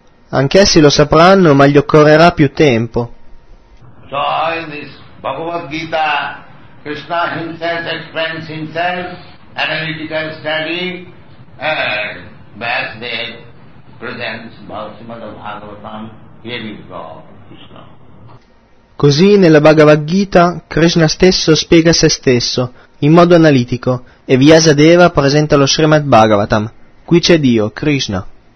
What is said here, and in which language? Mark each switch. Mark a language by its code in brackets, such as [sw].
[it] Anch'essi lo sapranno, ma gli occorrerà più tempo. [en] So in this Bhagavad Gita, Krishna himself explains himself, analytical study, and Vyasadeva presents Bhagavad Bhagavatam, here is God, Krishna. [it] Così nella Bhagavad Gita, Krishna stesso spiega se stesso, in modo analitico, e Vyasadeva presenta lo Srimad Bhagavatam, qui c'è Dio, Krishna.